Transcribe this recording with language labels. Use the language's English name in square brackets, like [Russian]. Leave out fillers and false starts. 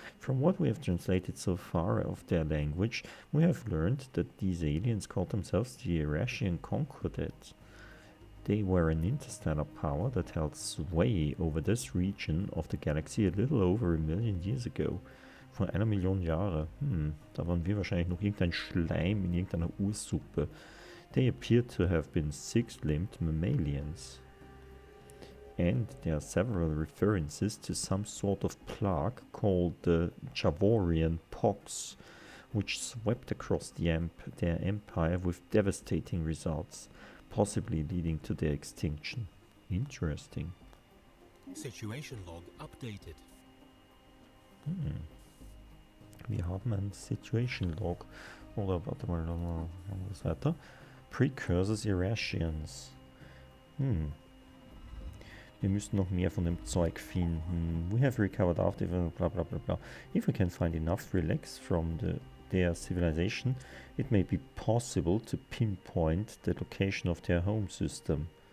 [English] From what we have translated so far of their language, we have learned that these aliens called themselves the Erasian Concordat. They were an interstellar power that held sway over this region of the galaxy a little over a million years ago. [German] Vor einer Million Jahre. Da waren wir wahrscheinlich noch irgendein Schleim in irgendeiner Ursuppe. [English] They appear to have been six-limbed mammalians. And there are several references to some sort of plague called the Javorian Pox, which swept across their empire with devastating results, possibly leading to their extinction. Interesting. Situation log updated. [German] Wir haben ein Situation log. Oder warte mal, machen wir das weiter. [English] Precursors Erasians. [German] Wir müssen noch mehr von dem Zeug finden. [English] We have recovered after blah blah blah blah. If we can find enough relics from their civilization, it may be possible to pinpoint the location of their home system.